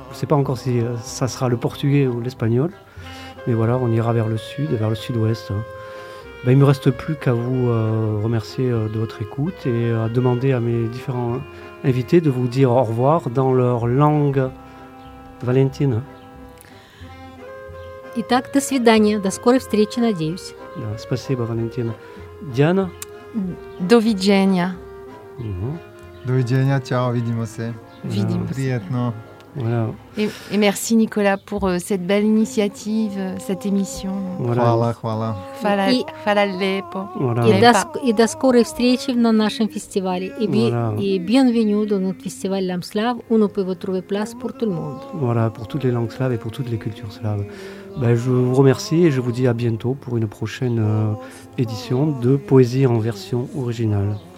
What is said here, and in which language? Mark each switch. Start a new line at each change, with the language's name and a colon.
French: Je ne sais pas encore si ça sera le portugais ou l'espagnol, mais voilà, on ira vers le sud, vers le sud-ouest. Ben, il ne me reste plus qu'à vous remercier de votre écoute et à demander à mes différents invités de vous dire au revoir dans leur langue, Valentine.
Russian: Итак, до свидания, до скорой встречи, надеюсь. Спасибо, Валентина. Диана.
Serbian: До видения. До видения, чао, видимося. Видимося. Приятно.
French: Voilà. Et merci Nicolas pour cette belle initiative, cette émission. Voilà. Voilà lepo.
Russian: Et до скорой встречи на нашем фестивале.
French: Et bienvenue dans notre festival L'âme slave, où on peut trouver place pour tout le monde. Voilà, pour toutes les langues slaves et pour toutes les cultures slaves. Ben, je vous remercie et je vous dis à bientôt pour une prochaine édition de Poésie en version originale.